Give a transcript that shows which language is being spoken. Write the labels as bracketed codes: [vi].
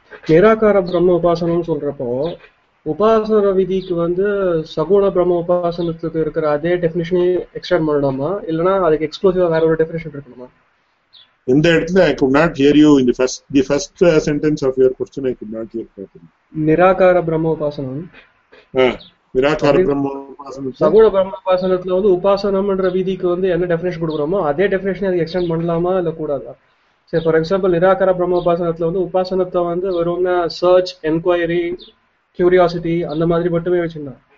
[ta] நிராகார பிரம்ம உபாசனம் சொல்றப்போ உபாசன விதிக்கு வந்து சகுண பிரம்ம உபாசனத்துக்கு இருக்கிற அதே டெஃபினிஷனே எக்ஸ்டெண்ட் பண்ணலாமா இல்லனா அதுக்கு எக்ஸ்க்ளூசிவா வேற ஒரு டெஃபினிஷன் இருக்கணுமா இந்த இடத்துல [en] I could not hear you in the first sentence of your question I could not hear properly [ta] நிராகார பிரம்ம உபாசனம் நிராகார பிரம்ம உபாசனம் சகுண பிரம்ம உபாசனத்துல வந்து உபாசனம்ன்ற விதிக்கு வந்து என்ன டெஃபினிஷன் கொடுக்குறோமோ அதே டெஃபினிஷனே அதுக்கு எக்ஸ்டெண்ட் பண்ணலாமா இல்ல கூடாதா சரி [en] for example [ta] நிராகார பிரம்ம உபாசனத்துல வந்து உபாசனத்தை வந்து வெறும் சர்ச் என்கொயரி கியூரியாசிட்டி அந்த மாதிரி மட்டுமே வச்சிருந்தா